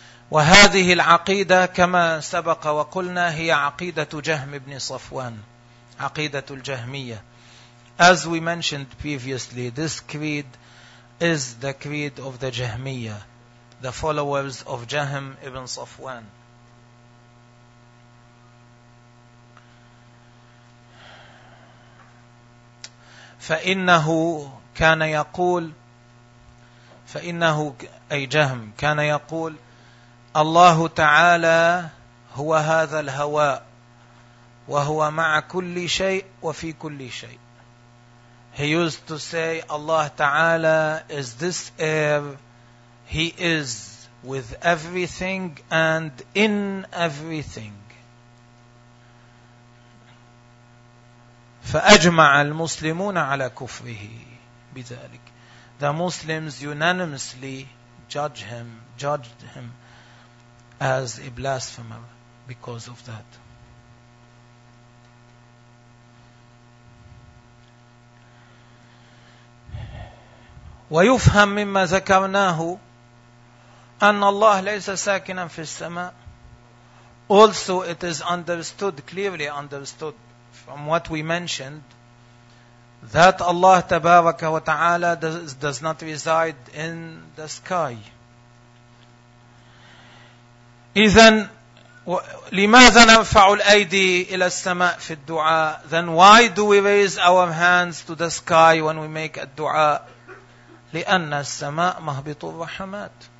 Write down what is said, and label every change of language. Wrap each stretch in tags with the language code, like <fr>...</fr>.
<ar>وهذه العقيدة كما سبق وقلنا هي عقيدة جهم بن صفوان, عقيدة الجهمية.</ar> <en>As we mentioned previously, this creed is the creed of the Jahmiyyah, the followers of Jahm ibn Safwan.</en> <ar>فإنه كان يقول, فإنه أي جهم كان يقول, الله تعالى هو هذا الهواء وهو مع كل شيء وفي كل شيء.</ar> <en>He used to say, Allah Ta'ala is this air, He is with everything and in everything.</en> <ar>فَأَجْمَعَ الْمُسْلِمُونَ عَلَى كُفْرِهِ بِذَلِكَ.</ar> <en>The Muslims unanimously judged him as a blasphemer because of that.</en> <ar>ويفهم مما ذكرناه أن الله ليس ساكنا في السماء.</ar> <en>Also it is understood, clearly understood from what we mentioned, that Allah</en> <ar>تبارك وتعالى</ar> <en>does not reside in the sky.</en> <ar>إذن لماذا نرفع الأيدي إلى السماء في الدعاء؟</ar> <en>Then why do we raise our hands to the sky when we make a dua?</en> <ar>لأن السماء مهبط الرحمات.</ar>